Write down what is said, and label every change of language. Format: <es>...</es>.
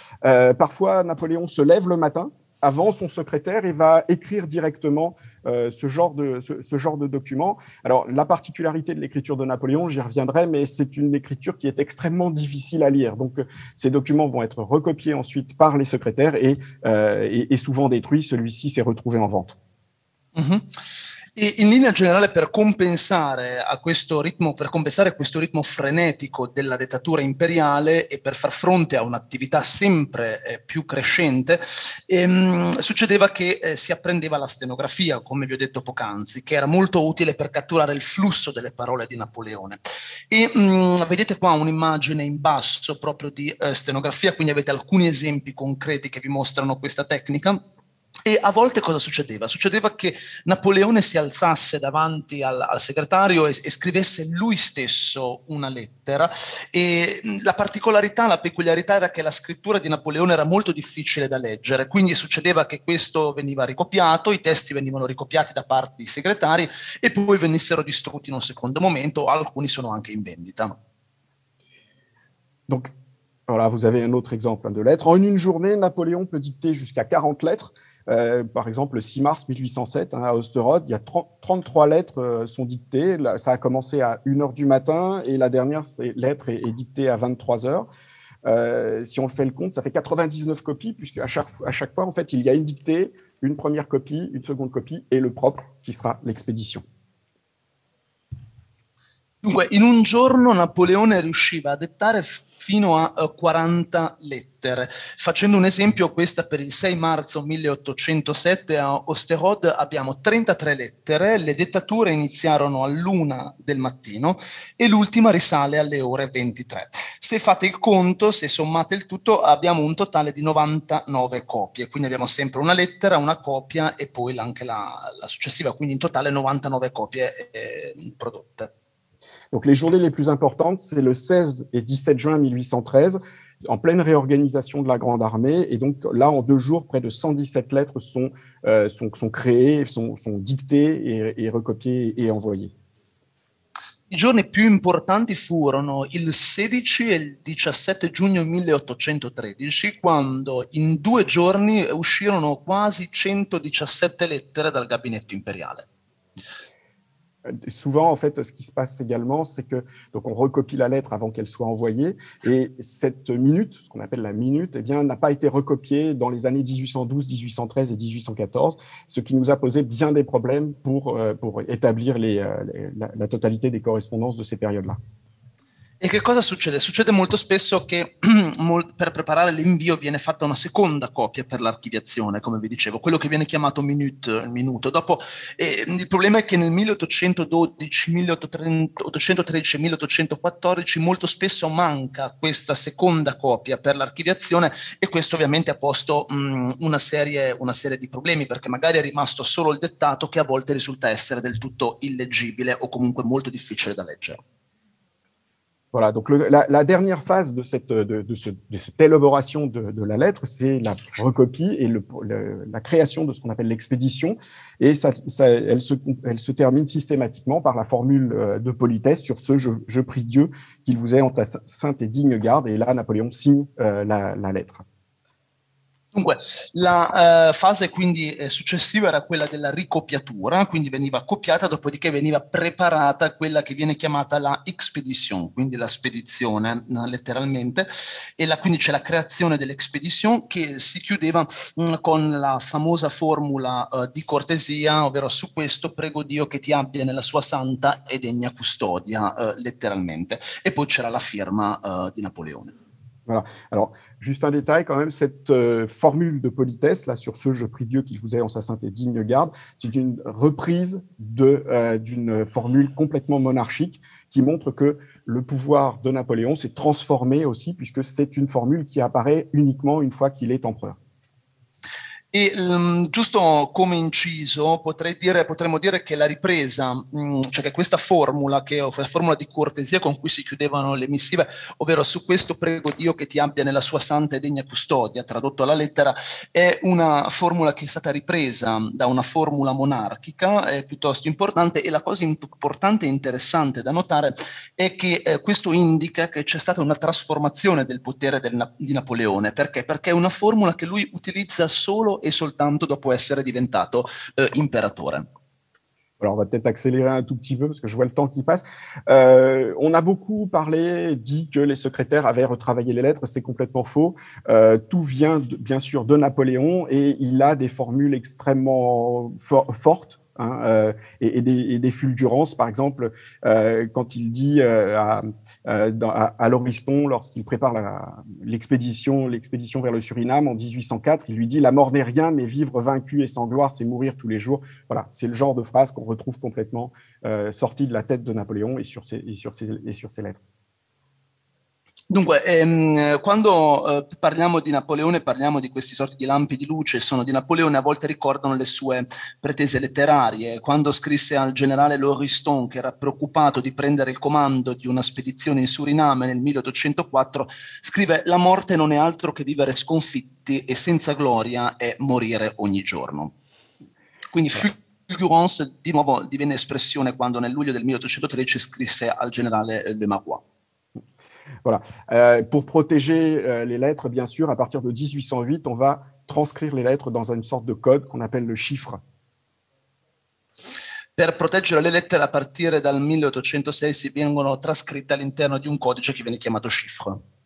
<fr>Parfois, Napoléon se lève le matin avant son secrétaire et va écrire directement ce genre de document. Alors, la particularité de l'écriture de Napoléon, j'y reviendrai, mais c'est une écriture qui est extrêmement difficile à lire. Donc, ces documents vont être recopiés ensuite par les secrétaires et souvent détruits. Celui-ci s'est retrouvé en vente. Mm-hmm.</fr> <it>E in linea generale, per compensare questo ritmo frenetico della dettatura imperiale e per far fronte a un'attività sempre più crescente, succedeva che si apprendeva la stenografia, come vi ho detto poc'anzi, che era molto utile per catturare il flusso delle parole di Napoleone. E vedete qua un'immagine in basso proprio di stenografia, quindi avete alcuni esempi concreti che vi mostrano questa tecnica. E a volte cosa succedeva? Succedeva che Napoleone si alzasse davanti al segretario e scrivesse lui stesso una lettera, e la particolarità, la peculiarità era che la scrittura di Napoleone era molto difficile da leggere, quindi succedeva che questo veniva ricopiato, i testi venivano ricopiati da parte dei segretari e poi venissero distrutti in un secondo momento, alcuni sono anche in vendita.</it> <fr>Donc, voilà, vous avez un autre exemple de lettres. En une journée, Napoléon peut dicter jusqu'à 40 lettres. Par exemple, le 6 mars 1807, hein, à Osterode, il y a 33 lettres sont dictées. Là, ça a commencé à 1h du matin et la dernière lettre est dictée à 23h. Si on le fait le compte, ça fait 99 copies, puisque à chaque fois, en fait, il y a une dictée, une première copie, une seconde copie et le propre qui sera l'expédition.</fr> <it>Dunque, in un giorno Napoleone riusciva a dettare fino a 40 lettere. Facendo un esesempio, questa per il 6 marzo 1807 a Osterode abbiamo 33 lettere, le dettature iniziarono all'1 del mattino e l'ultima risale alle ore 23. Se fate il conto, se sommate il tutto, abbiamo un totale di 99 copie, quindi abbiamo sempre una lettera, una copia e poi anche la successiva, quindi in totale 99 copie prodotte.</it> <fr>Donc les journées les plus importantes, c'est le 16 et 17 juin 1813, en pleine réorganisation de la Grande Armée. Et donc là, en deux jours, près de 117 lettres sont créées, sont dictées et recopiées et envoyées.</fr> <it>I giorni più importanti furono il 16 e il 17 giugno 1813, quando in due giorni uscirono quasi 117 lettere dal gabinetto imperiale.</it> <fr>Souvent, en fait, ce qui se passe également, c'est que donc on recopie la lettre avant qu'elle soit envoyée, et cette minute, ce qu'on appelle la minute, eh bien, n'a pas été recopiée dans les années 1812, 1813 et 1814, ce qui nous a posé bien des problèmes pour établir la totalité des correspondances de ces périodes-là.</fr> <it>E che cosa succede? Succede molto spesso che per preparare l'invio viene fatta una seconda copia per l'archiviazione, come vi dicevo, quello che viene chiamato minuto. Dopo, il problema è che nel 1812, 1813 e 1814 molto spesso manca questa seconda copia per l'archiviazione, e questo ovviamente ha posto una serie di problemi, perché magari è rimasto solo il dettato, che a volte risulta essere del tutto illeggibile o comunque molto difficile da leggere.</it> <fr>Voilà, donc la dernière phase de cette élaboration de la lettre, c'est la recopie et la création de ce qu'on appelle l'expédition. Et elle se termine systématiquement par la formule de politesse: sur ce, je prie Dieu qu'il vous ait en ta sainte et digne garde. Et là, Napoléon signe la lettre.</fr> <it>Dunque, la fase quindi successiva era quella della ricopiatura, quindi veniva copiata, dopodiché veniva preparata quella che viene chiamata la expedition, quindi la spedizione letteralmente, e la, quindi c'è la creazione dell'expedition che si chiudeva con la famosa formula di cortesia, ovvero su questo prego Dio che ti abbia nella sua santa e degna custodia, letteralmente, e poi c'era la firma di Napoleone.</it> <fr>Voilà. Alors, juste un détail quand même, cette formule de politesse, là, sur ce « Je prie Dieu qu'il vous ait en sa sainte et digne garde », c'est une reprise de, d'une formule complètement monarchique qui montre que le pouvoir de Napoléon s'est transformé aussi, puisque c'est une formule qui apparaît uniquement une fois qu'il est empereur.</fr> <it>E giusto come inciso potremmo dire che la ripresa, cioè che questa formula, che è la formula di cortesia con cui si chiudevano le missive, ovvero su questo prego Dio che ti abbia nella sua santa e degna custodia, tradotto alla lettera, è una formula che è stata ripresa da una formula monarchica, è piuttosto importante, e la cosa importante e interessante da notare è che questo indica che c'è stata una trasformazione del potere di Napoleone. Perché? Perché è una formula che lui utilizza solo e soltanto dopo essere diventato imperatore.</it> <fr>Alors, on va peut-être accélérer un tout petit peu parce que je vois le temps qui passe. On a beaucoup parlé, dit que les secrétaires avaient retravaillé les lettres. C'est complètement faux. Tout vient bien sûr de Napoléon et il a des formules extrêmement fortes. Hein, et des fulgurances, par exemple, quand il dit à l'Oriston, lorsqu'il prépare l'expédition vers le Suriname en 1804, il lui dit « La mort n'est rien, mais vivre vaincu et sans gloire, c'est mourir tous les jours ». Voilà, c'est le genre de phrase qu'on retrouve complètement sortie de la tête de Napoléon et sur ses lettres.</fr> <it>Dunque, quando parliamo di Napoleone, parliamo di questi sorti di lampi di luce, sono di Napoleone, a volte ricordano le sue pretese letterarie. Quando scrisse al generale L'Oriston, che era preoccupato di prendere il comando di una spedizione in Suriname nel 1804, scrive: «La morte non è altro che vivere sconfitti e senza gloria è morire ogni giorno». Quindi fulgurance, di nuovo, divenne espressione quando nel luglio del 1813 scrisse al generale Le Marois.</it> <fr>Voilà. Pour protéger les lettres, bien sûr, à partir de 1808, on va transcrire les lettres dans une sorte de code qu'on appelle le chiffre.</fr> <it>Per proteggere le lettere, a partire dal 1806, si vengono trascritte all'interno di un codice che viene chiamato chiffre.</it>